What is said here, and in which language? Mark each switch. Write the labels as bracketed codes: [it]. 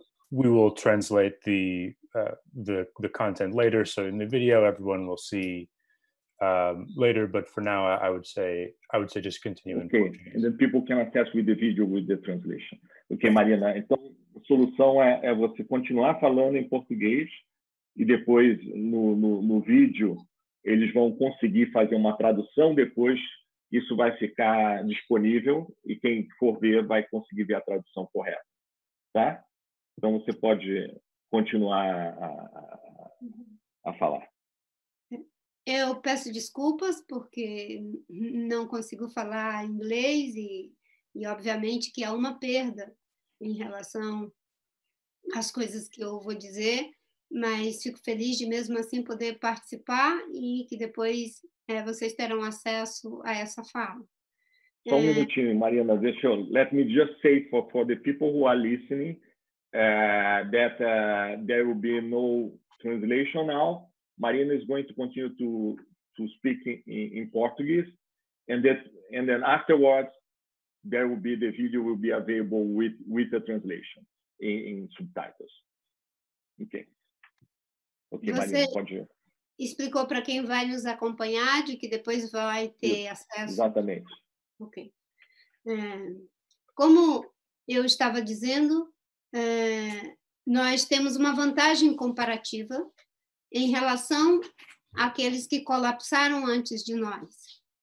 [en] we will translate the content later. So in the video, everyone will see later. But for now, I would say just continue. Okay, and then people can attest with the video with the translation. Okay, Mariana. [pt] Então, a solução é você continuar falando em português e depois no vídeo eles vão conseguir fazer uma tradução depois. Isso vai ficar disponível e quem for ver vai conseguir ver a tradução correta, tá? Então você pode continuar a falar. Eu peço desculpas porque não consigo falar inglês e obviamente que é uma perda em relação às coisas que eu vou dizer, mas fico feliz de mesmo assim poder participar e que depois vocês terão acesso a essa fala. Só um minutinho, [en] Mariana, let me just say for the people who are listening that there will be no translation now. Mariana is going to continue to speak in Portuguese, and then afterwards there will be the video will be available with the translation in subtitles. Okay. [pt] Okay, Mariana, pode ir. Explicou para quem vai nos acompanhar de que depois vai ter acesso. Exatamente. Ok. Como eu estava dizendo, nós temos uma vantagem comparativa em relação àqueles que colapsaram antes de nós.